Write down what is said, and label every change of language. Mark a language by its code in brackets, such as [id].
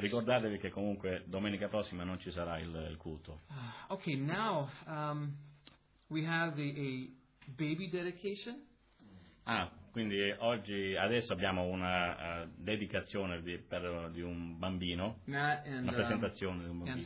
[it] Ricordatevi che comunque domenica prossima non ci sarà il culto. [en] Okay, now we have a baby dedication. [it] Quindi oggi adesso abbiamo una dedicazione di un bambino. [en] Matt and, [it] una presentazione di un bambino.